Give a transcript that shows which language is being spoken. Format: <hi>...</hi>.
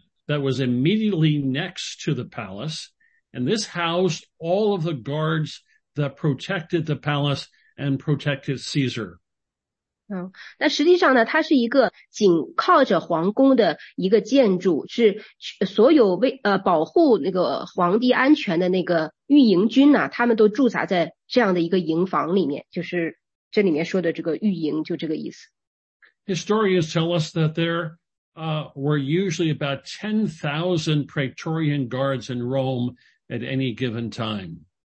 <en>that was immediately next to the palace, and this housed all of the guards that protected the palace and protected Caesar.</en> <zh>那实际上呢，它是一个紧靠着皇宫的一个建筑，是所有为保护那个皇帝安全的那个御营军呐，他们都驻扎在这样的一个营房里面，就是这里面说的这个御营，就这个意思。</zh> <en>Historians tell us that there were usually about 10,000 Praetorian guards in Rome at any given time.</en>